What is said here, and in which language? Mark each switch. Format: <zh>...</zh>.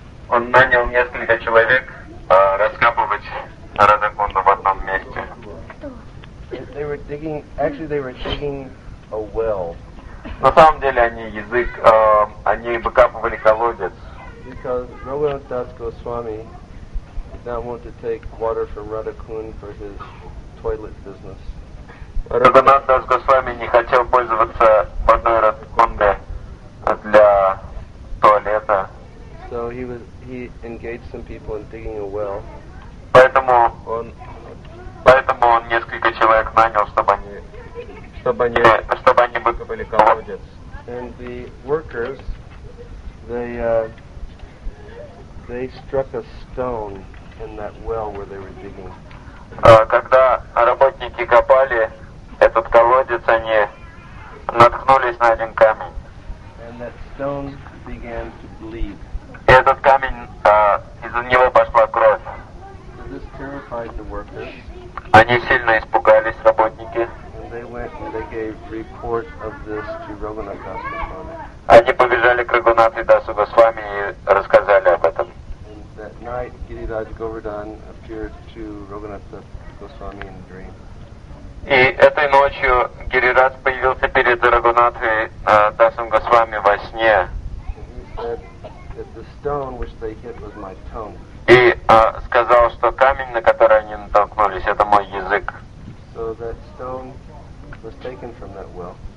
<ru>Он нанял несколько человек раскапывать Радхакунду в одном месте.</ru> <en>They were digging a well.</en> <ru>На самом деле они выкапывали колодец.</ru> <en>because Raghunath Das Goswami did not want to take water from Radhakun for his toilet business.</en> <ru>Raghunath Das Goswami не хотел пользоваться водой Радхакунды для туалета.</ru> <en>So he engaged some people in digging a well.</en> <ru>Поэтому он несколько человек нанял, чтобы они выкопали колодец.</ru> <en>And the workers, they struck a stone in that well where they were digging.</en> <ru>Когда работники копали этот колодец, они наткнулись на один камень.</ru> <en>And that stone began to bleed.</en> <ru>И этот камень, из-за него пошла кровь.</ru> <en>So this terrified the workers.</en> <ru>Они сильно испугались, работники.</ru> <en>They went and they gave report of this to Raghunath Das Goswami.</en> <ru>Они побежали к Рагхунату Дасу Госвами и рассказали об этом.</ru> <en>And that night, Giriraj Govardhan appeared to Raghunath Das Goswami in a dream.</en> <ru>И этой ночью Гирирадж появился перед Рагхунатой Дасом Госвами во сне.</ru> <en>And he said that the stone which they hit was my tongue.</en> <ru>И сказал, что камень, на который они натолкнулись, это мой язык.</ru> <en>So that stone was taken from that well.</en>